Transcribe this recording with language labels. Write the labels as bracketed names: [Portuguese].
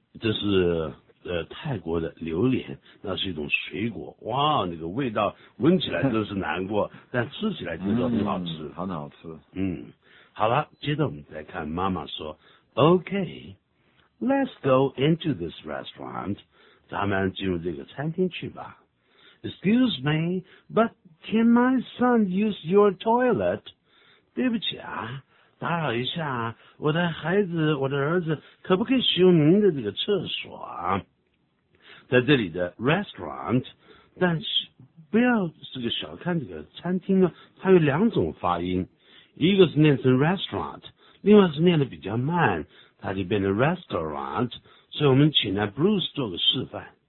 [Chinese] 这是泰国的榴莲，那是一种水果。哇，那个味道闻起来真是难过，但吃起来真的很好吃，很好吃。好了，接着我们再看妈妈说 ， [English] OK, let's go into this restaurant. [Chinese] 咱们进入这个餐厅去吧。 [English] Excuse me, but can my son use your toilet? [Chinese] 对不起啊。打扰一下，我的孩子，我的儿子，可不可以使用您的这个厕所啊？在这里的 restaurant, 但是不要这个小看这个餐厅啊，它有两种发音，一个是念成 restaurant, 另外是念的比较慢，它就变成 restaurant, 所以我们请来 Bruce 做个示范。